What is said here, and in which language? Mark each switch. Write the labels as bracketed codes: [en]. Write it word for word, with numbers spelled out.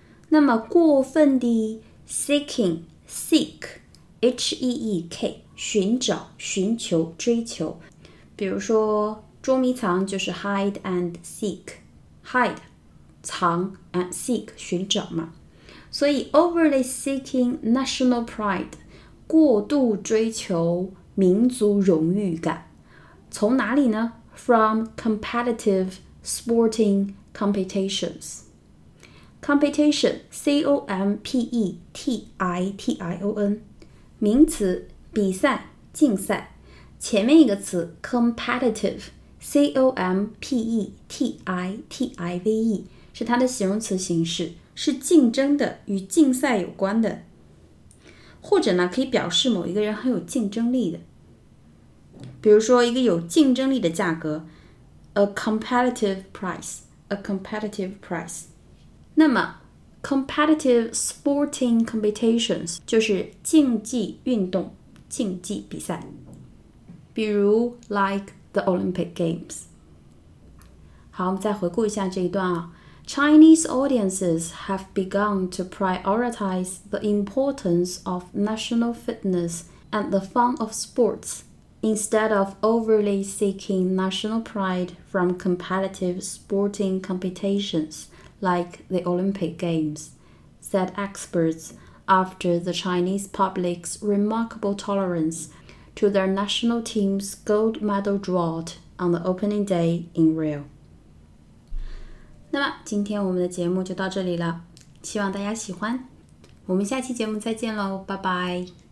[zh] 那么过分的 seeking seek H E E K 寻找寻求追求，比如说捉迷藏就是 [en] hide and seek [zh] hide 藏 and seek 寻找嘛，所以 [en] overly seeking national pride [zh] 过度追求民族荣誉感，从哪里呢？ [en] From competitive sporting competitions. [zh] Competition, C O M P E T I T I O N 名词，比赛，竞赛。前面一个词 competitive, C O M P E T I T I V E 是它的形容词形式，是竞争的，与竞赛有关的。或者呢，可以表示某一个人很有竞争力的，比如说一个有竞争力的价格 ， [en] a competitive price, a competitive price。 [zh] 那么 [en] competitive sporting competitions [zh] 就是竞技运动、竞技比赛，比如 [en] like the Olympic Games。 [zh] 好，我们再回顾一下这一段啊。 [en] Chinese audiences have begun to prioritize the importance of national fitness and the fun of sports instead of overly seeking national pride from competitive sporting competitions like the Olympic Games, said experts after the Chinese public's remarkable tolerance to their national team's gold medal drought on the opening day in Rio. [zh] 那么今天我们的节目就到这里了，希望大家喜欢，我们下期节目再见喽，拜拜。